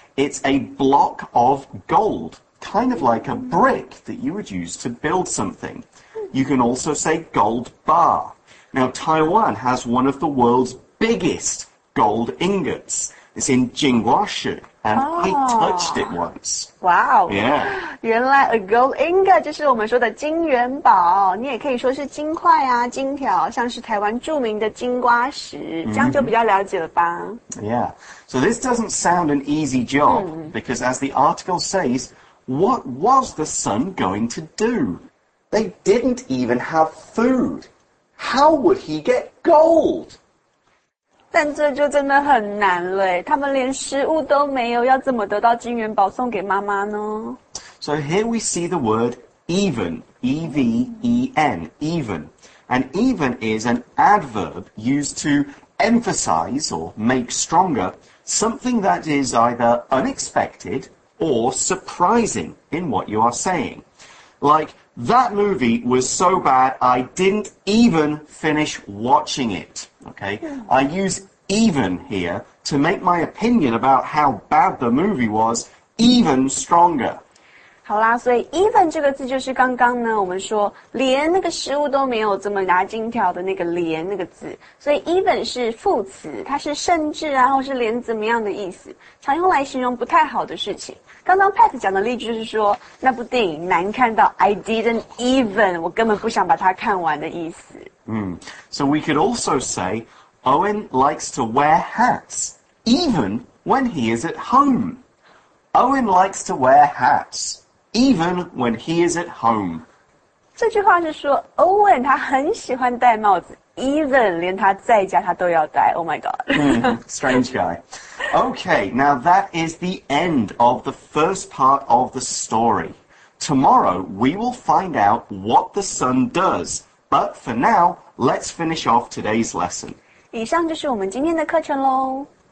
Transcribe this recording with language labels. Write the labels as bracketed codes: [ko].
[en] It's a block of gold, kind of like a brick that you would use to build something. You can also say gold bar. Now, Taiwan has one of the world's biggest gold ingots. It's in Jingguashi. And I touched it once. Wow. Yeah. [zh] 原来 a gold ingot 就是我们说的金元宝，你也可以说是金块啊、金条，像是台湾著名的金瓜石，这样就比较了解了吧。 [en] Yeah. So this doesn't sound an easy job, because as the article says, what was the son going to do? They didn't even have food. How would he get gold? [zh] 但这就真的很难了耶，他们连食物都没有，要怎么得到金元宝送给妈妈呢？ [en] So here we see the word even, E-V-E-N, even. And even is an adverb used to emphasize or make stronger something that is either unexpected or surprising in what you are saying. Like, that movie was so bad I didn't even finish watching it. Okay, I use even here to make my opinion about how bad the movie was even stronger. [zh] 好啦，所以 even 这个字就是刚刚呢，我们说连那个食物都没有怎么拿金条的那个连那个字。所以 even 是副词，它是甚至啊，或是连怎么样的意思，常用来形容不太好的事情。刚刚 Pat 讲的例句就是说，那部电影难看到 [en] I didn't even, [zh] 我根本不想把它看完的意思。 [en] So we could also say, Owen likes to wear hats, even when he is at home. Owen likes to wear hats, even when he is at home. [zh] 这句话是说 Owen 他很喜欢戴帽子 even 连他在家他都要戴 [en] Oh my god. 、 strange guy. Okay, now that is the end of the first part of the story. Tomorrow, we will find out what the sun does. But for now, let's finish off today's lesson. [zh] 以上就是我们今天的课程喽。